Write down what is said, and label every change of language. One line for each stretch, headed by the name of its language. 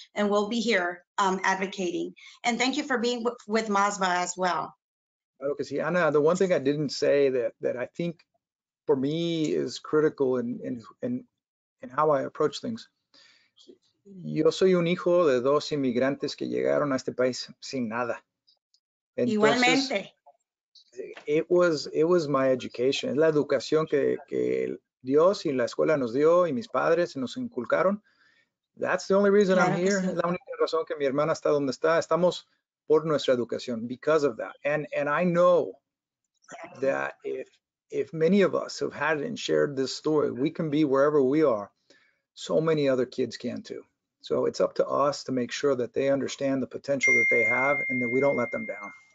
English: And we'll be here advocating. And thank you for being with MASVA as well. Okay, see, Anna, the one thing I didn't say that I think for me is critical in how I approach things.
Spanish: Yo soy un hijo de dos inmigrantes que llegaron a este país sin nada. Entonces, igualmente.
English: It was my education,
Spanish: la educación que Dios y la escuela nos dio y mis padres nos inculcaron.
English: That's the only reason I'm here.
Spanish: Sí. La única razón que mi hermana está donde está. Estamos por nuestra educación,
English: because of that. And I know that if many of us have had and shared this story, we can be wherever we are. So many other kids can too. So it's up to us to make sure that they understand the potential that they have and that we don't let them down.